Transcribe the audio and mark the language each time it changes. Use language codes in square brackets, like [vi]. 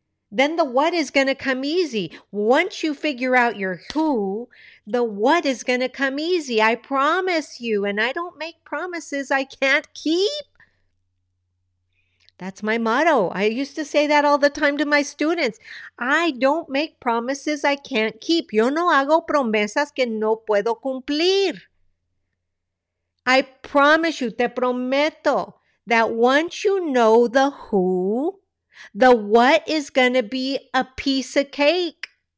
[en] Then the what is going to come easy. Once you figure out your who, the what is going to come easy. I promise you. And I don't make promises I can't keep. That's my motto. I used to say that all the time to my students. I don't make promises I can't keep. [es] Yo no hago promesas que no puedo cumplir. [en] I promise you, [es] te prometo, [en] that once you know the who, the what is going to be a piece of cake.